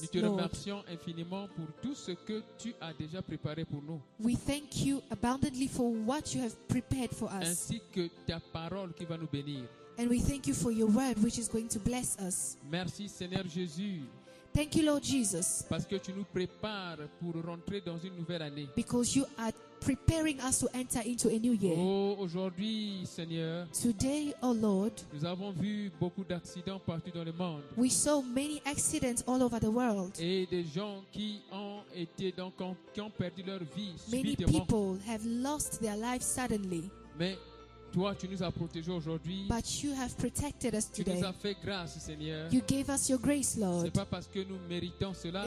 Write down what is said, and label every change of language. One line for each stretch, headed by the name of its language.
French: nous te remercions infiniment pour tout ce que tu as déjà préparé pour nous.
English: We thank you abundantly for what you have prepared for us.
French: Ainsi que ta parole qui va nous bénir.
English: And we thank you for your word which is going to bless us.
French: Merci, Seigneur Jésus.
English: Thank you, Lord Jesus.
French: Parce que tu nous prépares pour rentrer dans une nouvelle année.
English: Because you are preparing us to enter into a new year.
French: Oh, aujourd'hui, Seigneur.
English: Today, oh Lord.
French: Nous avons vu beaucoup d'accidents partout dans le monde.
English: We saw many accidents all over the world.
French: Et des gens qui ont été donc qui ont perdu leur vie subitement.
English: Many people have lost their life suddenly.
French: Mais toi, tu nous as protégés aujourd'hui.
English: But you have protected us today.
French: Tu nous as fait grâce, Seigneur.
English: You gave us your grace, Lord.
French: C'est pas parce que nous méritons cela.